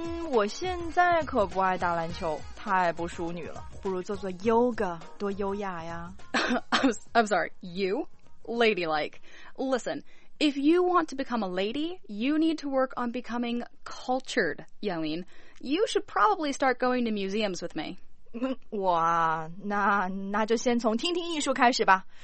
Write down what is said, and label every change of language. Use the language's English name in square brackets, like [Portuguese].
[Chinese] 我现在可不爱打篮球，太不淑女了，不如做做 yoga, 多优雅呀。 [English] I'm sorry, you? Ladylike. Listen, if you want to become a lady, you need to work on becoming cultured, Yelin. You should probably start going to museums with me. [Chinese] 哇，那就先从听听艺术开始吧。